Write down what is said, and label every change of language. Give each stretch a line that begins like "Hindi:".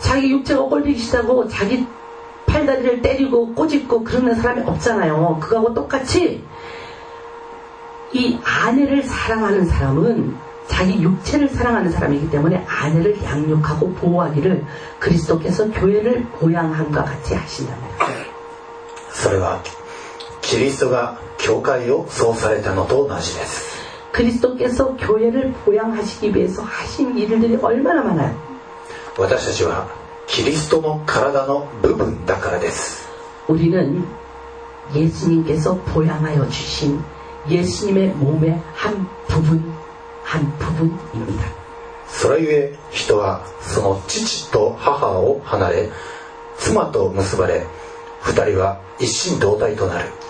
Korean: 자기육체가꼴보기싫다고자기팔다리를때리고꼬집고그러는사람이없잖아요그거하고똑같이이아내를사랑하는사람은자기육체를사랑하는사람이기때문에아내를양육하고보호하기를그리스도께서교회를보양함과같이하신답니다 그것은그리스도가교회를
Japanese: 創されたのと同じです
Korean: 그리스도께서교회를보양하시기위해서하신일들이얼마나많아요
Japanese: 私たちはキリストの体の部分だからです
Korean: 우리는예수님께서보양하여주신예수님의몸의한부분한부분입니다
Japanese: それゆえ人はその父と母を離れ妻と結ばれ二人は一心同体となる